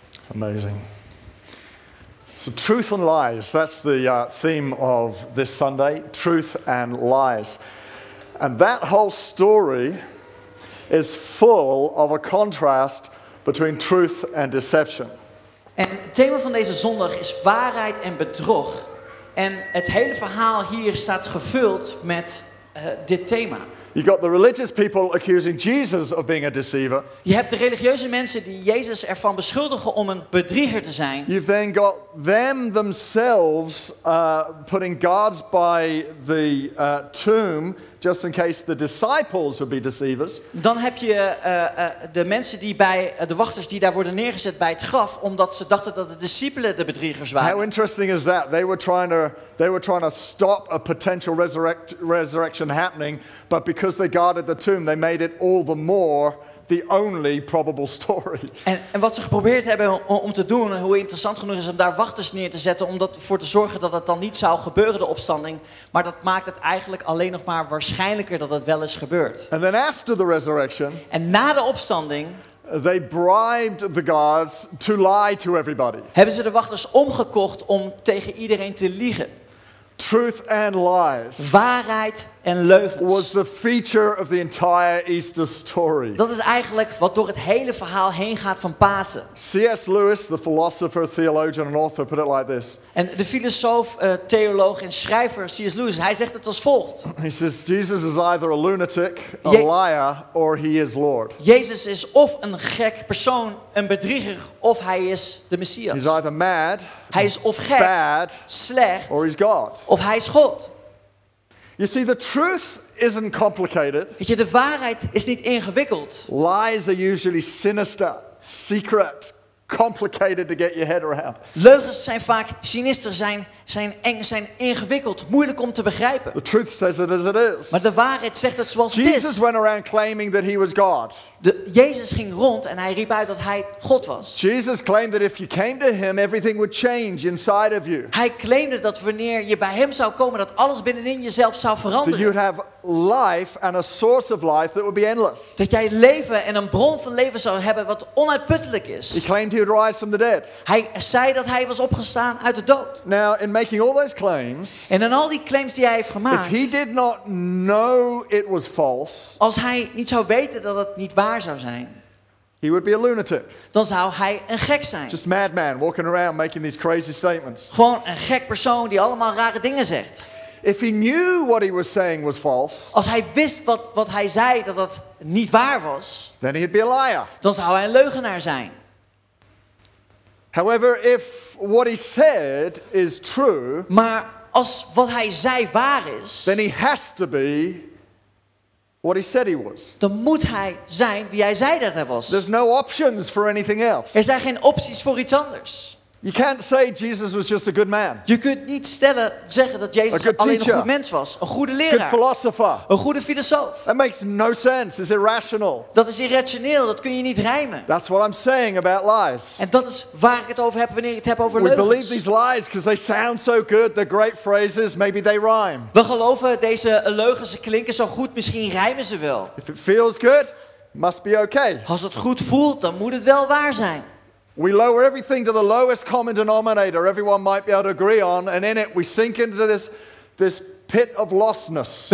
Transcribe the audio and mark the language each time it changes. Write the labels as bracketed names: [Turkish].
[English] Amazing. So truth and lies, that's the theme of this Sunday, truth and lies. And that whole story is full of a contrast between truth and deception. [Dutch] En het thema van deze zondag is waarheid en bedrog. En het hele verhaal hier staat gevuld met dit thema. [English] You got the religious people accusing Jesus of being a deceiver. [Dutch] Je hebt de religieuze mensen die Jezus ervan beschuldigen om een bedrieger te zijn. [English] You've then got them themselves putting guards by the tomb just in case the disciples would be deceivers. [Dutch] Dan heb je de mensen die bij de wachters die daar worden neergezet bij het graf omdat ze dachten dat de discipelen de bedriegers waren. [English] How interesting is that? They were trying to stop a potential resurrection happening, but because they guarded the tomb, they made it all the more the only probable story. [Dutch] En wat ze geprobeerd hebben om te doen, en hoe interessant genoeg is om daar wachters neer te zetten, om ervoor te zorgen dat het dan niet zou gebeuren, de opstanding, maar dat maakt het eigenlijk alleen nog maar waarschijnlijker dat het wel is gebeurd. [English] And then after the resurrection, [Dutch] en na de opstanding, [English] they bribed the guards to lie to everybody. [Dutch] Hebben ze de wachters omgekocht om tegen iedereen te liegen? [English] Truth and lies. [Dutch] Waarheid en leugens. [English] Was the feature of the entire Easter story. [Dutch] Dat is eigenlijk wat door het hele verhaal heen gaat van Pasen. [English] C.S. Lewis, the philosopher, theologian and author, put it like this. [Dutch] En de filosoof, theoloog en schrijver C.S. Lewis, hij zegt het als volgt. [English] He says Jesus is either a lunatic, a liar, or he is Lord. [Dutch] Jezus is of een gek persoon, een bedrieger, of hij is de Messias. [English] He's either mad. [Dutch] Hij is of gek, [English] bad, [Dutch] slecht, [English] or he's God. [Dutch] Of hij is God. [English] You see, the truth isn't complicated. [Dutch] Weet je, de waarheid is niet ingewikkeld. [English] Lies are usually sinister, secret, complicated to get your head around. [Dutch] Leugens zijn vaak sinister, zijn zijn ingewikkeld, moeilijk om te begrijpen. [English] The truth says it as it is. [Dutch] Maar de waarheid zegt het zoals [English] Jesus [Dutch] het is. [English] Jesus went around claiming that he was God. [Dutch] Jezus ging rond en hij riep uit dat hij God was. [English] Jesus claimed that if you came to him, everything would change inside of you. [Dutch] Hij claimde dat wanneer je bij hem zou komen, dat alles binnenin jezelf zou veranderen. [English] That you'd have life and a source of life that would be endless. [Dutch] Dat jij leven en een bron van leven zou hebben wat onuitputtelijk is. [English] He claimed he would rise from the dead. [Dutch] Hij zei dat hij was opgestaan uit de dood. [English] Now, in making all those claims, [Dutch] en in al die claims die hij heeft gemaakt, [English] if he did not know it was false, [Dutch] als hij niet zou weten dat het niet waar zou zijn, [English] he would be a lunatic. [Dutch] Dan zou hij een gek zijn. [English] Just madman walking around making these crazy statements. [Dutch] Gewoon een gek persoon die allemaal rare dingen zegt. [English] If he knew what he was saying was false, [Dutch] als hij wist wat hij zei dat dat niet waar was, [English] then he'd be a liar. [Dutch] Dan zou hij een leugenaar zijn. [English] However, if what he said is true, [Dutch] maar als wat hij zei waar is, [English] then he has to be what he said he was. [Dutch] Dan moet hij zijn wie hij zei dat hij was. [English] There's no options for anything else. [Dutch] Er zijn geen opties voor iets anders. [English] You can't say Jesus was just a good man. [Dutch] Je kunt niet zeggen dat Jezus alleen een goed mens was, een goede leraar, [English] good philosopher, [Dutch] een goede filosoof. [English] That makes no sense. It's irrational. [Dutch] Dat is irrationeel. Dat kun je niet rijmen. [English] That's what I'm saying about lies. [Dutch] En dat is waar ik het over heb wanneer ik het heb over [English] we [Dutch] leugens. [English] We believe these lies because they sound so good. They're great phrases. Maybe they rhyme. [Dutch] We geloven deze leugens. Ze klinken zo goed. Misschien rijmen ze wel. [English] If it feels good, must be okay. [Dutch] Als het goed voelt, dan moet het wel waar zijn. [English] We lower everything to the lowest common denominator everyone might be able to agree on, and in it we sink into this pit of lostness.